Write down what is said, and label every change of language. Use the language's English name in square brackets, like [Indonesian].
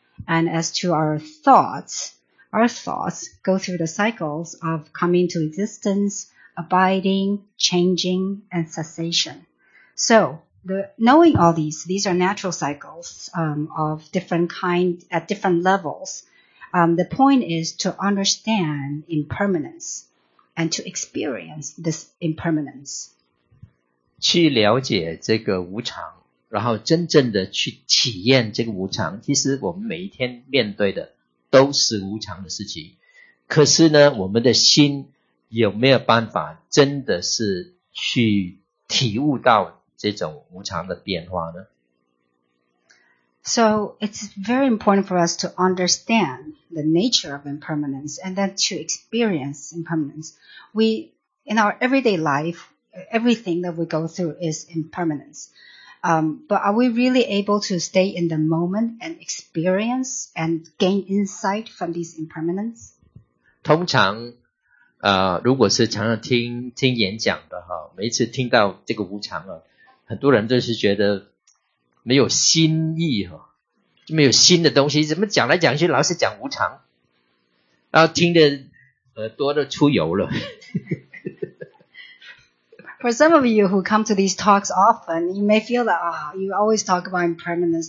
[English] And as to our thoughts go through the cycles of coming to existence, abiding, changing, and cessation. So, knowing all these are natural cycles of different kind at different levels. The point is to understand impermanence and to experience this impermanence. [Chinese] 去了解这个无常，然后真正的去体验这个无常。其实我们每一天面对的都是无常的事情，可是呢，我们的心有没有办法真的是去体悟到这种无常的变化呢？ [English] So it's very important for us to understand the nature of impermanence and then to experience impermanence. We, in our everyday life, everything that we go through is impermanence. But are we really able to stay in the moment and experience and gain insight from these impermanence? [Chinese] 通常如果是常常听演讲的哈，每一次听到这个无常啊，很多人都是觉得没有新意哈，就没有新的东西，怎么讲来讲去老是讲无常，然后听的耳朵都出油了。 [English] For some of you who come to these talks often, you may feel that you always talk about impermanence.